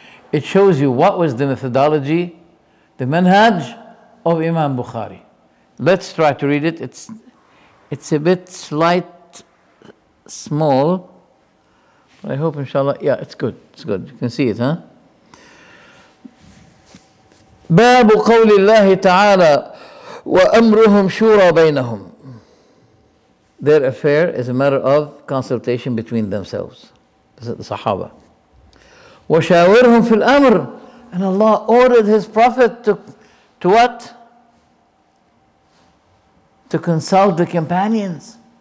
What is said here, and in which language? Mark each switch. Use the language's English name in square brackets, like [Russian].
[English] It shows you what was the methodology, the manhaj of Imam Bukhari. Let's try to read it. It's a bit slight, small. But I hope, inshallah, yeah, it's good. It's good. You can see it, huh? [Arabic] باب قول الله تعالى وأمرهم شورى بينهم. [English] Their affair is a matter of consultation between themselves. This is the Sahaba. [Arabic] وشاورهم في الأمر. [English] And Allah ordered His Prophet to what? To consult the companions.